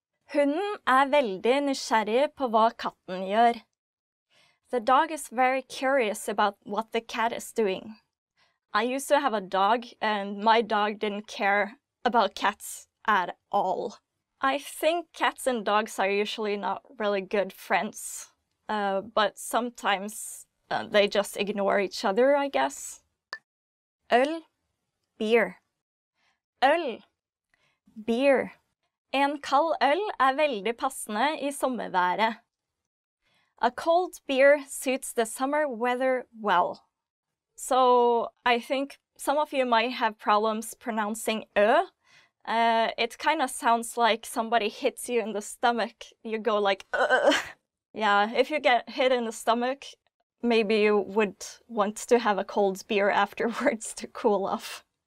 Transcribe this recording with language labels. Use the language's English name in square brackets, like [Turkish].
[Norwegian] Hunden veldig nysgjerrig på hva katten gjør. [English] The dog is very curious about what the cat is doing. I used to have a dog, and my dog didn't care about cats at all. I think cats and dogs are usually not really good friends, but sometimes they just ignore each other, I guess. [Norwegian] Øl, beer. Øl, beer. En kald øl veldig passende I sommerværet. [English] A cold beer suits the summer weather well. So I think some of you might have problems pronouncing ø. It kind of sounds like somebody hits you in the stomach. You go like, ugh. Yeah, if you get hit in the stomach, maybe you would want to have a cold beer afterwards to cool off.